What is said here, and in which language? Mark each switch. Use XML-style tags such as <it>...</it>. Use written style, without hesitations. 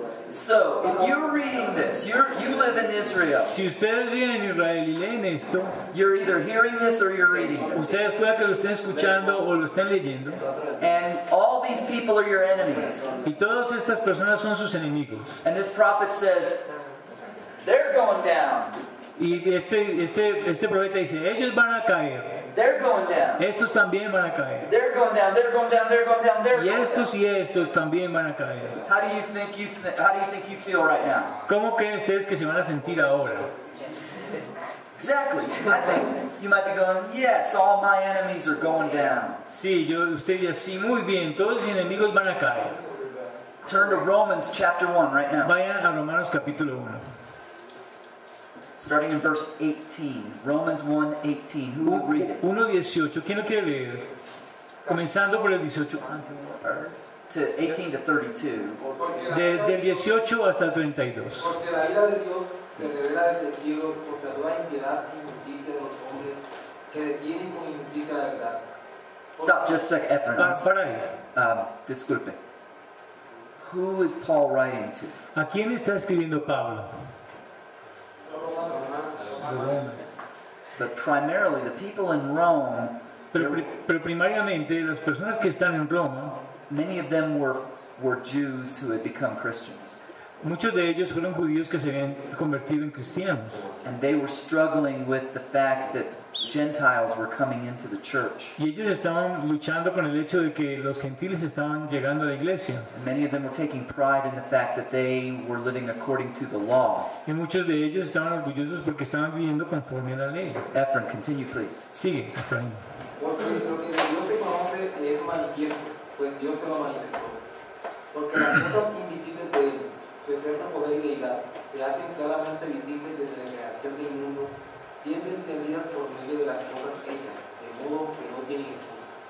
<en>So, if you're reading this, you live in Israel.</en> <es>Si ustedes viven en Israel y leen esto,</es> <en>you're either hearing this or you're reading it.</en> <es>Ustedes pueden que lo estén escuchando o lo estén leyendo.</es> <en>And all these people are your enemies.</en> <es>Y todas estas personas son sus enemigos.</es> <en>And this prophet says, they're going down.</en> <es>Y este profeta dice, ellos van a caer.</es> <en>They're going down.</en> <es>Estos también van a caer.</es> <en>They're going down. They're going down. They're going down. They're</en> <es>y estos</es> <en>going down.</en> <es>Y estos también van a caer.</es> <en>How do you think you feel right now?</en> <es>¿Cómo creen ustedes que se van a sentir ahora?</es> <en>Exactly. I think you might be going, yes, all my enemies are going down.</en> <es>Sí, yo usted dice, sí, muy bien, todos mis enemigos van a caer.</es> <en>Turn to Romans chapter 1 right now.</en> <es>Vayan a Romanos capítulo 1.</es> <en>Starting in verse 18, Romans 1:18. Who will read it?</en> <es>1:18. ¿Quién lo quiere leer? Comenzando por el 18.</es> <en>To 18 to 32.</en> <es>Del 18 hasta el 32. Porque la ira de Dios se revela desde el cielo por la toda impiedad y injusticia de los hombres que detienen con injusticia la verdad.</es> <en>Stop just a second.</en> <es>Para ahí. Disculpe.</es> <en>Who is Paul writing to?</en> <es>¿A quién está escribiendo Pablo?</es> <en>But primarily the people in Rome.</en> <es>Pero primariamente las personas que están en Roma.</es> <en>Many of them were Jews who had become Christians.</en> <es>Muchos de ellos fueron judíos que se habían convertido en cristianos.</es> <en>And they were struggling with the fact that Gentiles were coming into the church.</en> <es>Y ellos estaban luchando con el hecho de que los gentiles estaban llegando a la iglesia.</es> <en>Many of them were taking pride in the fact that they were living according to the law.</en> <es>Y muchos de ellos estaban orgullosos porque estaban viviendo conforme a la ley.</es> <en>Ephraim, continue please.</en> <es>Sigue, Ephraim. Porque lo que Dios te conoce es manifiesto, pues Dios se lo manifestó. Porque las cosas invisibles de él, su eterno poder y deidad, se hacen claramente visibles desde la creación del mundo, siendo entendidas por medio de las cosas hechas, de modo que no tienen excusa.</es>